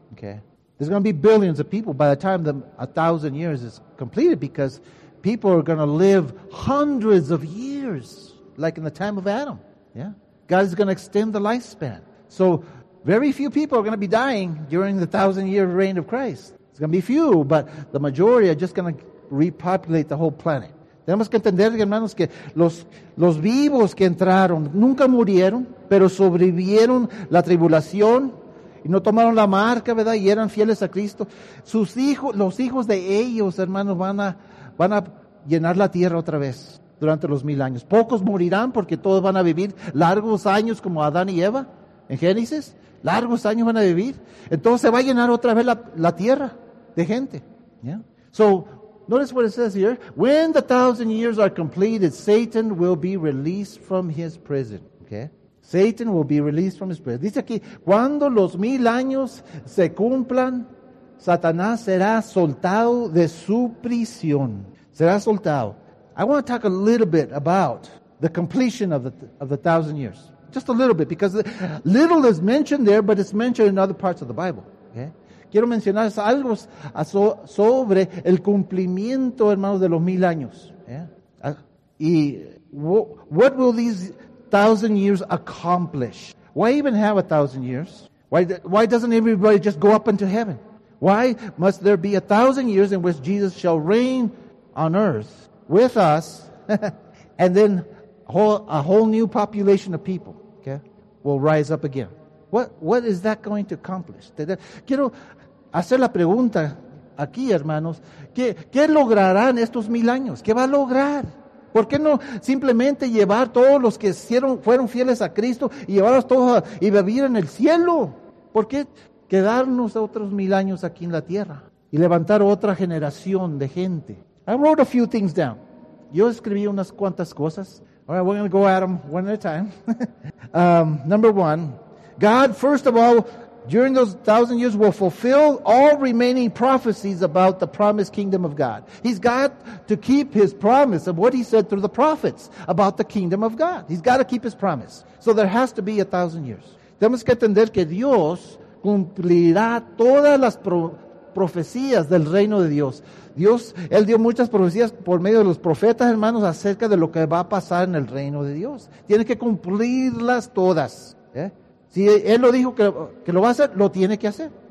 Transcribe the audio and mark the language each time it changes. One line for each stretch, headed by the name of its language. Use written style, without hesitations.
English: Okay, there's going to be billions of people by the time a thousand years is completed, because people are going to live hundreds of years, like in the time of Adam. Yeah, God is going to extend the lifespan. So very few people are going to be dying during the 1,000-year reign of Christ. It's going to be few, but the majority are just going to repopulate the whole planet.
Spanish: Tenemos que entender, hermanos, que los vivos que entraron nunca murieron, pero sobrevivieron la tribulación y no tomaron la marca, ¿verdad? Y eran fieles a Cristo. Sus hijos, los hijos de ellos, hermanos, van a llenar la tierra otra vez durante los mil años. Pocos morirán porque todos van a vivir largos años como Adán y Eva en Génesis. Largos años van a vivir. Entonces va a llenar otra vez la tierra de gente.
English: Yeah. So, notice what it says here. When the 1,000 years are completed, Satan will be released from his prison. Okay? Satan will be released from his prison.
Spanish: Dice aquí, cuando los mil años se cumplan, Satanás será soltado de su prisión. Será soltado.
English: I want to talk a little bit about the completion of the 1,000 years. Just a little bit, because little is mentioned there, but it's mentioned in other parts of the Bible. Okay?
Spanish: Quiero mencionar algo sobre el cumplimiento, hermanos, de los mil años.
English: Yeah. Y what will these 1,000 years accomplish? Why even have 1,000 years? Why doesn't everybody just go up into heaven? Why must there be 1,000 years in which Jesus shall reign on earth with us and then a whole new population of people, okay, will rise up again? What is that going to accomplish?
Spanish: Quiero hacer la pregunta aquí, hermanos, ¿qué lograrán estos mil años? ¿Qué va a lograr? ¿Por qué no simplemente llevar todos los que fueron fieles a Cristo y llevarlos todos y vivir en el cielo? ¿Por qué quedarnos otros mil años aquí en la tierra y levantar otra generación de gente?
English: I wrote a few things down.
Spanish: Yo escribí unas cuantas cosas.
English: All right, we're going to go at them one at a time. Number one, God, first of all, during those 1,000 years, will fulfill all remaining prophecies about the promised kingdom of God. He's got to keep his promise of what he said through the prophets about the kingdom of God. He's got to keep his promise. So there has to be 1,000 years.
Spanish: Tenemos que entender que Dios cumplirá todas las profecías del reino de Dios. Dios, Él dio muchas profecías por medio de los profetas, hermanos, acerca de lo que va a pasar en el reino de Dios. Tiene que cumplirlas todas, ¿eh? Si Él lo dijo que lo va a hacer, lo tiene que hacer.